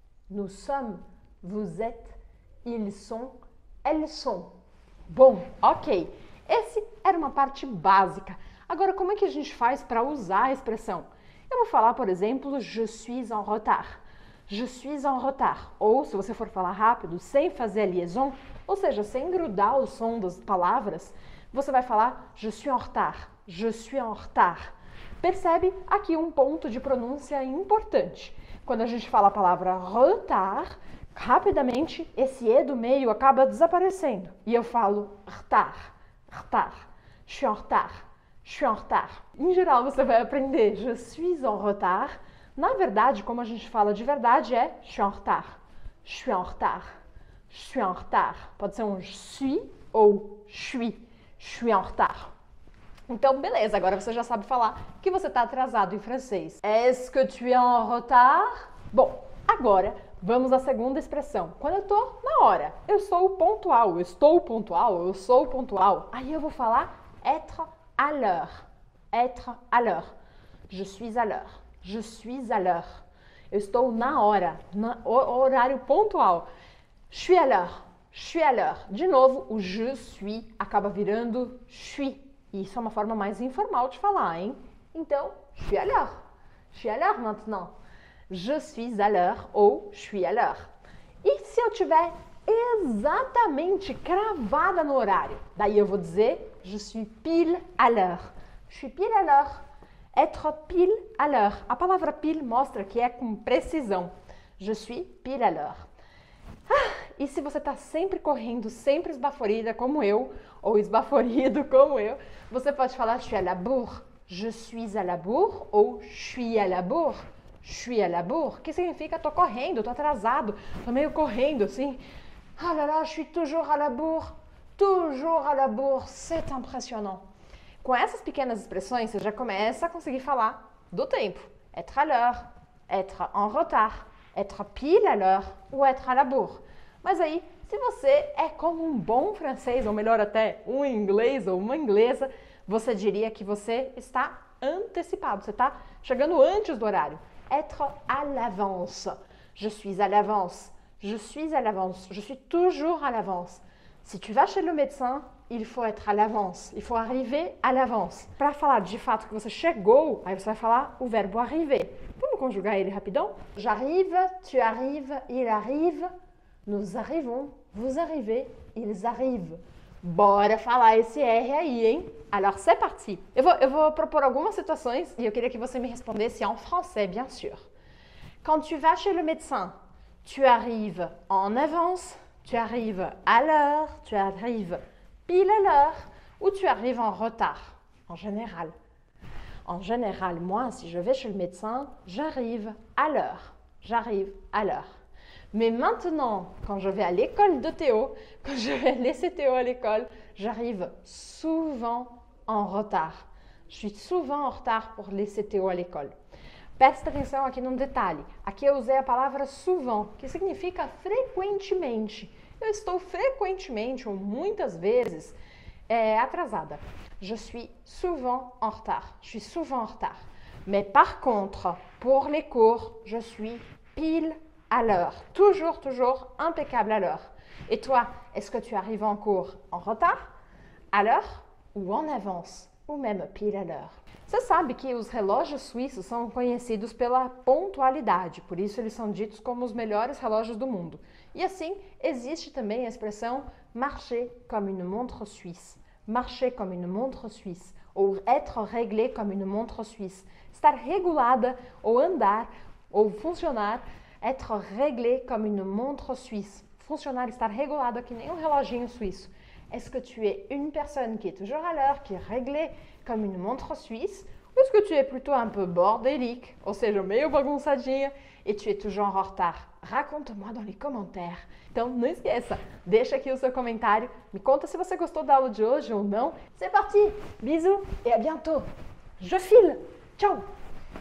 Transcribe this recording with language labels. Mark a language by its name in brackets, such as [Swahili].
[French] Nous sommes, vous êtes, ils sont, elles sont. [Portuguese] Bom, ok. Essa era uma parte básica. Agora, como é que a gente faz para usar a expressão? Eu vou falar, por exemplo, [French] je suis en retard. Je suis en retard. [Portuguese] Ou, se você for falar rápido, sem fazer a liaison, ou seja, sem grudar o som das palavras, você vai falar [French] je suis en retard. Je suis en retard. [Portuguese] Percebe aqui um ponto de pronúncia importante. Quando a gente fala a palavra retard, rapidamente esse E do meio acaba desaparecendo. E eu falo [French] retard. Retard. Je suis en retard. Je suis en retard. [Portuguese] Em geral, você vai aprender [French] je suis en retard. [Portuguese] Na verdade, como a gente fala de verdade, é [French] je suis en retard. Je suis en retard. Je suis en retard. [Portuguese] Pode ser um [French] je suis ou je suis. Je suis en retard. [Portuguese] Então, beleza, agora você já sabe falar que você está atrasado em francês. [French] Est-ce que tu es en retard? [Portuguese] Bom, agora vamos à segunda expressão. Quando eu estou na hora, eu sou pontual, eu estou pontual, eu sou pontual. Aí eu vou falar [French] être à l'heure. Être à l'heure. Je suis à l'heure. Je suis à l'heure. [Portuguese] Eu estou na hora, no horário pontual. [French] Je suis à l'heure. Je suis à l'heure. [Portuguese] De novo, o [French] je suis [Portuguese] acaba virando [French] je suis. [Portuguese] Isso é uma forma mais informal de falar, hein? Então, [French] je suis à l'heure. Je suis à l'heure maintenant. Je suis à l'heure ou je suis à l'heure. [Portuguese] E se eu tiver exatamente cravada no horário? Daí eu vou dizer [French] je suis pile à l'heure. Je suis pile à l'heure. Être pile à l'heure. [Portuguese] A palavra pile mostra que é com precisão. [French] Je suis pile à l'heure. [Portuguese] Ah, e se você está sempre correndo, sempre esbaforida como eu, ou esbaforido como eu, você pode falar [French] je suis à la bourre. Je suis à la bourre ou je suis à la bourre. Je suis à la bourre, [Portuguese] que significa tô correndo, tô atrasado, tô meio correndo assim. [French] Ah là là, je suis toujours à la bourre. Toujours à la bourre, c'est impressionnant. [Portuguese] Com essas pequenas expressões, você já começa a conseguir falar do tempo. [French] Être à l'heure, être en retard, être pile à l'heure ou être à la bourre. [Portuguese] Mas aí, se você é como um bom francês, ou melhor até, um inglês ou uma inglesa, você diria que você está antecipado, você está chegando antes do horário. [French] Être à l'avance. Je suis à l'avance. Je suis à l'avance. Je suis toujours à l'avance. Si tu vas chez le médecin, il faut être à l'avance. Il faut arriver à l'avance. [Portuguese] Para falar de fato que você chegou, aí você vai falar o verbo arriver. Vamos conjugar ele rapidão? [French] J'arrive, tu arrives, il arrive. Nous arrivons, vous arrivez, ils arrivent. [Portuguese] Bora falar esse R aí, hein? [French] Alors, c'est parti. [Portuguese] Eu vou propor algumas situações e eu queria que você me respondesse [French] en français, bien sûr. Quand tu vas chez le médecin, tu arrives en avance. Tu arrives à l'heure, tu arrives pile à l'heure ou tu arrives en retard, en général. En général, moi, si je vais chez le médecin, j'arrive à l'heure. J'arrive à l'heure. Mais maintenant, quand je vais à l'école de Théo, quand je vais laisser Théo à l'école, j'arrive souvent en retard. Je suis souvent en retard pour laisser Théo à l'école. [Portuguese] Presta atenção aqui num detalhe. Aqui eu usei a palavra souvent, que significa frequentemente. Eu estou frequentemente, ou muitas vezes, atrasada. [French] Je suis souvent en retard. Je suis souvent en retard. Mais par contre, pour les cours, je suis pile à l'heure. Toujours, toujours impeccable à l'heure. Et toi, est-ce que tu arrives en cours en retard, à l'heure ou en avance? ou même pile à l'heure. [Portuguese] Você sabe que os relógios suíços são conhecidos pela pontualidade, por isso eles são ditos como os melhores relógios do mundo. E assim, existe também a expressão [French] marcher comme une montre suisse. Marcher comme une montre suisse. Ou être réglé comme une montre suisse. [Portuguese] Estar regulada, ou andar, ou funcionar, [French] être réglé comme une montre suisse. [Portuguese] Funcionar, estar regulada que nem um reloginho suíço. [French] Est-ce que tu es une personne qui est toujours à l'heure, qui est réglée comme une montre suisse? Ou est-ce que tu es plutôt un peu bordélique, [Portuguese] ou seja, meio bagunçadinha, [French] et tu es toujours en retard? Raconte-moi dans les commentaires. [Portuguese] Então, não esqueça, deixa aqui o seu comentário, me conta se você gostou da aula de hoje ou não. [French] C'est parti! Bisous et à bientôt! Je file! [Portuguese] Ciao!